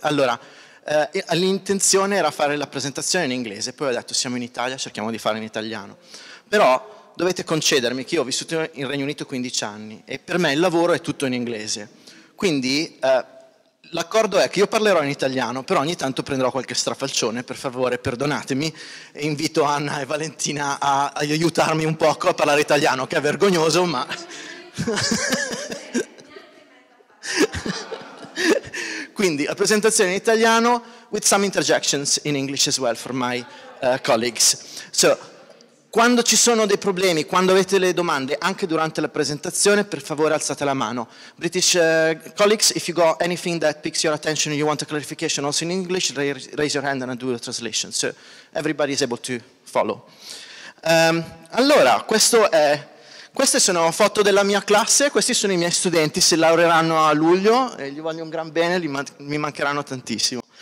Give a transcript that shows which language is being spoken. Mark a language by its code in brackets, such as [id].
[it] Allora, l'intenzione era fare la presentazione in inglese, poi ho detto siamo in Italia, cerchiamo di farla in italiano, però dovete concedermi che io ho vissuto in Regno Unito 15 anni e per me il lavoro è tutto in inglese, quindi l'accordo è che io parlerò in italiano, però ogni tanto prenderò qualche strafalcione, per favore perdonatemi, e invito Anna e Valentina a aiutarmi un poco a parlare italiano, che è vergognoso, ma... Quindi, la presentazione in italiano, [en] with some interjections in English as well for my colleagues. [it] So, quando ci sono dei problemi, quando avete le domande, anche durante la presentazione, per favore alzate la mano. [en] British colleagues, if you got anything that piques your attention and you want a clarification also in English, raise your hand and I'll do the translation. So, everybody is able to follow. [it] Allora, queste sono foto della mia classe, questi sono i miei studenti, si laureeranno a luglio, e gli voglio un gran bene, mi mancheranno tantissimo.